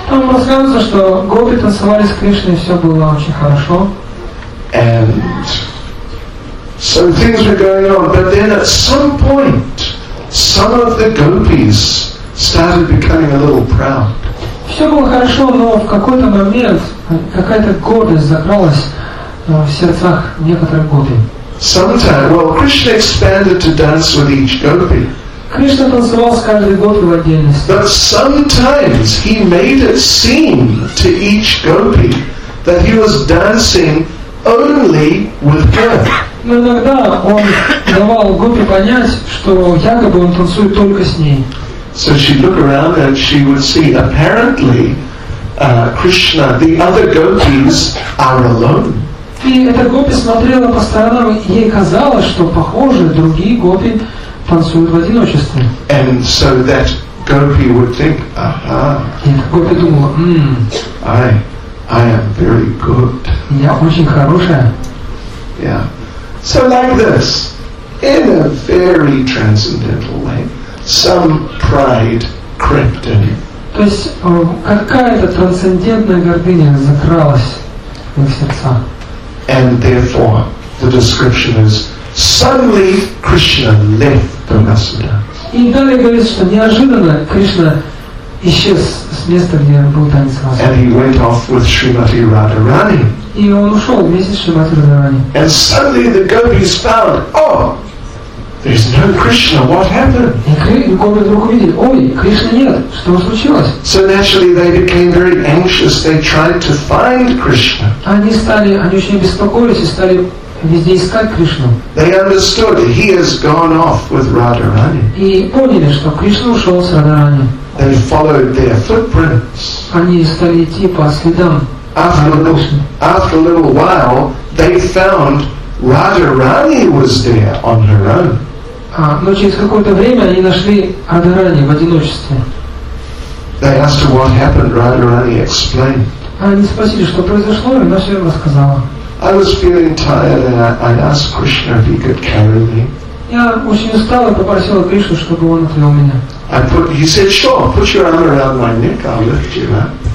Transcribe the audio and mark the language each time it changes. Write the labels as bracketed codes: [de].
[ru] Там рассказывается, что гопи танцевали с Кришной, и все было очень хорошо. [en] And so things were going on, but then at some point, some of the gopis started becoming a little proud. [ru] Все было хорошо, но в какой-то момент какая-то гордость закралась в сердцах некоторых гопи. [en] Sometimes, well, Krishna expanded to dance with each gopi. [ru] Кришна танцевал с каждой гопи в отдельности. [en] But sometimes he made it seem to each gopi that he was dancing only with her. [ru] Но иногда он давал гопи понять, что якобы он танцует только с ней. [en] So she'd look around and she would see, apparently, Krishna, the other gopis are alone. [ru] И эта гопи смотрела по сторонам, ей казалось, что, похоже, другие гопи танцуют в одиночестве. [en] And so that gopi would think, aha. [ru] И эта гопи думала, [en] I am very good. [ru] Я очень хорошая. [en] Yeah. So like this, in a very transcendental way, some pride crept in. [ru] То есть какая-то трансцендентная гордыня закралась в их сердца. [en] And therefore, the description is, suddenly Krishna left the Rasada. [ru] И далее говорится, что неожиданно Кришна исчез с места, где он был танец Раса. [en] And he went off with Srimati Radharani. [ru] И он ушел вместе с Шримати Радхарани. [en] And suddenly the gopis found, oh, there's no Krishna, what happened? [ru] И гопи вдруг увидели, ой, Кришны нет, что случилось? [en] So naturally they became very anxious, they tried to find Krishna. [ru] Они очень беспокоились и стали везде искать Кришну. [en] They understood he has gone off with Radharani. [ru] И поняли, что Кришна ушел с Радхарани. [en] They followed their footprints. [ru] Они стали идти по следам. [en] After a little while, they found Radharani was there on her own. [ru] Но через какое-то время они нашли Радхарани в одиночестве. [en] They asked her what happened. Radharani explained. [ru] Они спросили, что произошло, и она все равно сказала. [en] I was feeling tired, and I asked Krishna if he could carry me. [ru] Я очень устала, попросила Кришну, чтобы он отвел меня. [en] He said, sure, put your arm around my neck, I'll lift you up.